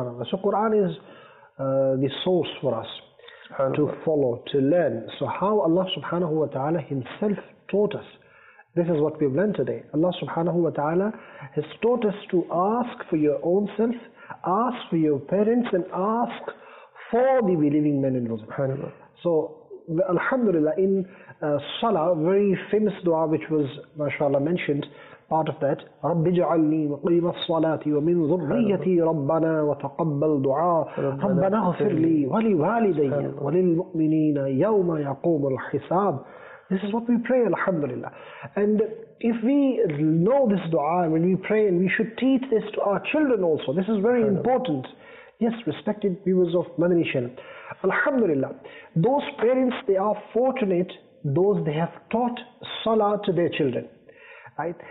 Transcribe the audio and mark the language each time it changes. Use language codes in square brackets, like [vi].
[en] So Quran is the source for us to follow, to learn. So how Allah subhanahu wa ta'ala himself taught us, this is what we've learned today. Allah subhanahu wa ta'ala has taught us to ask for your own self, ask for your parents, and ask for the believing men in Muslim. [ar] So alhamdulillah, in Salah, very famous dua which was mashallah mentioned, part of that, رَبِّ جَعَلْنِي مُقِيمَ الصَّلَاةِ وَمِنْ ذُرِّيَّتِي رَبَّنَا وَتَقَبَّلْ دُعَاءَ رَبَّنَا اغْفِرْ لِي وَلِوَالِدَيَّ وَلِلْمُؤْمِنِينَ يَوْمَ يَقُومُ الْحِسَابِ. [en] This is what we pray, alhamdulillah. And if we know this dua, when we pray, and we should teach this to our children also, this is very important. Yes, respected viewers of Madani Channel, alhamdulillah, those parents, they are fortunate, those they have taught salah to their children. Right?